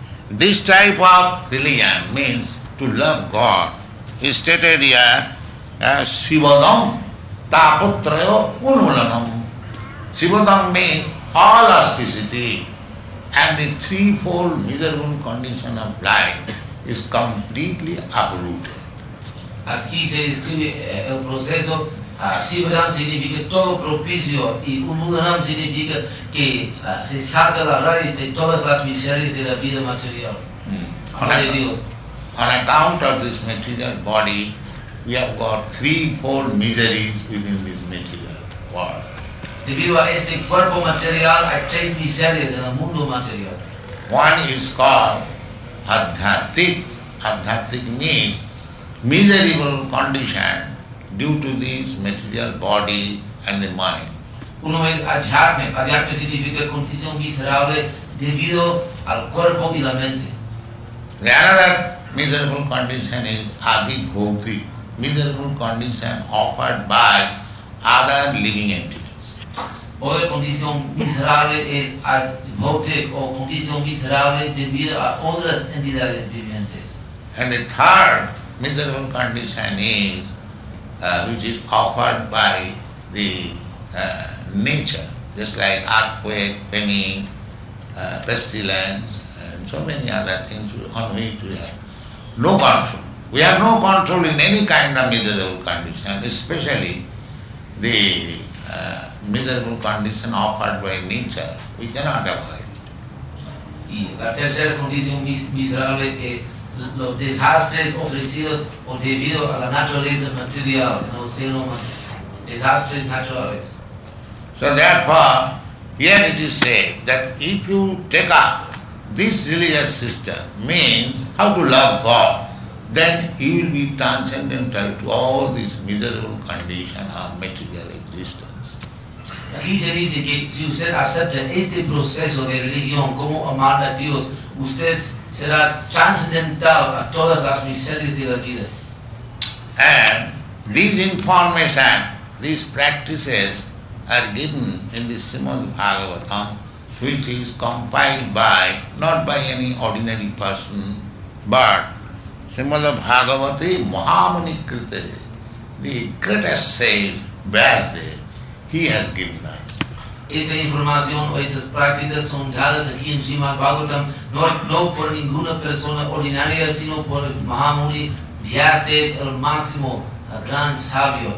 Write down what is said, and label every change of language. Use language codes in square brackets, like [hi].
[en] This type of religion means to love God. He stated here as Sivadam. [sa] taputrayo unulanam. [en] Sivadam means all auspicity and the threefold miserable condition of life is completely uprooted. As he says, [es] el proceso Sivadam significa todo propicio y unulanam significa que se saca la raíz de todas las miserias de la vida material. [en] On account of this material body, we have got threefold miseries within this material world. [es] Debido a este cuerpo material, hay tres miserias en el mundo material. [en] One is called adhyatik. Adhyatik means miserable condition due to this material body and the mind. [es] Uno es adhyatme. Adhyatme significa condición miserable debido al cuerpo y la mente. [en] The another miserable condition is adhibhogti, miserable condition offered by other living entities. [es] Otra condición miserable es adhibhogti o condición miserable debido a otras entidades vivientes. [en] And the third miserable condition is which is offered by the nature, just like earthquake, famine, pestilence, so many other things on which we have no control. We have no control in any kind of miserable condition, especially the miserable condition offered by nature. We cannot avoid it. [es] La tercera condición miserable es los desastres ofrecidos o debido a la naturaleza material, no sino desastres naturales. [en] So therefore, here it is said that if you take up this religious system means how to love God, then he will be transcendental to all this miserable condition of material existence. [es] Aquí se dice que si usted acepta este proceso de religión como amar a Dios, usted será transcendental a todas las miserias de la vida. [en] And this information, these practices are given in the Srimad Bhagavatam, which is compiled by, not by any ordinary person, but [sa] Srimada Bhagavati Mahamunikrite, [en] the greatest sage, Vyasadeva, he has given us. [es] Esta información o estas prácticas son dadas aquí en Srimad Bhagavatam, no por ninguna persona ordinaria, sino por Mahamuni Vyasadeva, el máximo, el gran sabio.